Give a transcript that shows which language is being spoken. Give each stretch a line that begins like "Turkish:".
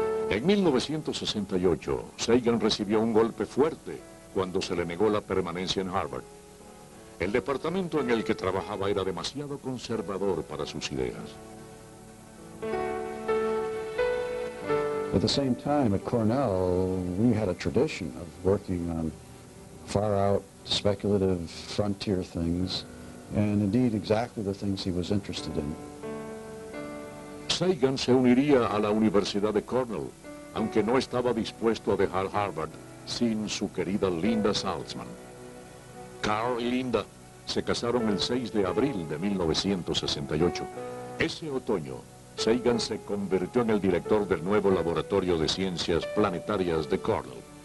Spanish: En 1968, Sagan recibió un golpe fuerte cuando se le negó la permanencia en Harvard. El departamento en el que trabajaba era demasiado conservador para sus ideas.
English: At the same time, at Cornell, we had a tradition of working on far out, speculative, frontier things, and indeed exactly the things he was interested in.
Spanish: Sagan se uniría a la Universidad de Cornell, aunque no estaba dispuesto a dejar Harvard sin su querida Linda Salzman. Carl y Linda se casaron el 6 de abril de 1968. Ese otoño, Sagan se convirtió en el director del nuevo Laboratorio de Ciencias Planetarias de Cornell.